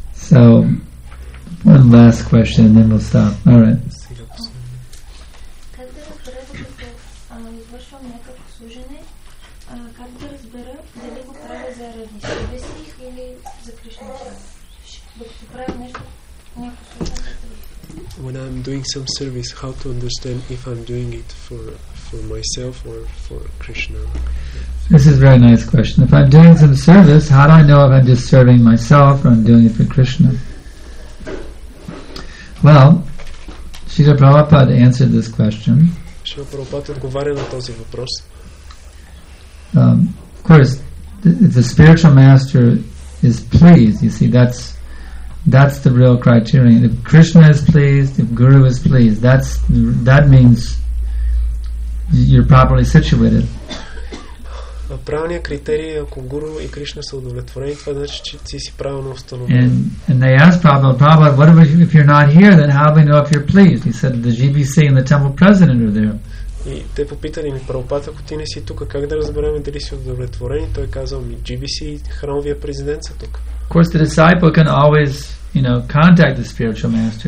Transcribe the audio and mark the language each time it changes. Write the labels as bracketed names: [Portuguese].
[English] So, one last question, and then we'll stop. All right. [Bulgarian] Как да разбера, като извършвам някакво служене, как да разбера дали го правя заради себе си или за Кришна? [English] When I'm doing some service, how to understand if I'm doing it for myself or for Krishna? This is a very nice question. If I'm doing some service, how do I know if I'm just serving myself or I'm doing it for Krishna? Well, Srila Prabhupada answered this question. [Bulgarian] Srila Prabhupada odgovara na tozi vopros. [English] Of course, if the spiritual master is pleased, you see, that's the real criterion. If Krishna is pleased, if Guru is pleased, that means you're properly situated. [Bulgarian] Правилният критерий е, ако Гуру и Кришна са удовлетворени, това значи, че ти си правилно установен. [English] And they asked Prabhupada, what if you're not here, then how do we know if you're pleased? He said, the GBC and the temple president are there. [Bulgarian] И те попитали ми, Прабхупада, ако ти не си тук, как да разберем дали си удовлетворен? И той казал ми, GBC и храмовия президент са тук. [English] Of course, the disciple can always, you know, contact the spiritual master.